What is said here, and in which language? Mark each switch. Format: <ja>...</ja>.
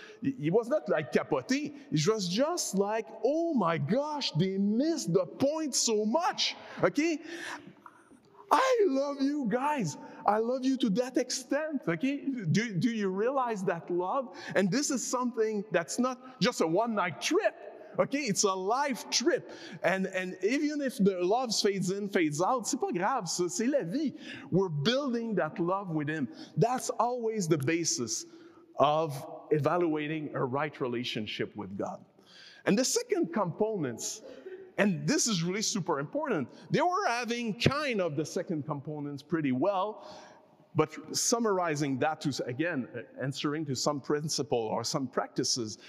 <en>He was not like capoté. It was just like, oh my gosh, they missed the point so much, okay? I love you guys. I love you to that extent, okay? Do you realize that love? And this is something that's not just a one-night trip. Okay, it's a life trip. And even if the love fades in, fades out,</en> <fr>c'est pas grave, ça, c'est la vie.</fr> <en>We're building that love with Him. That's always the basis of evaluating a right relationship with God. And the second components, and this is really super important, they were having kind of the second components pretty well, but summarizing that to, again, answering to some principle or some practices.</en>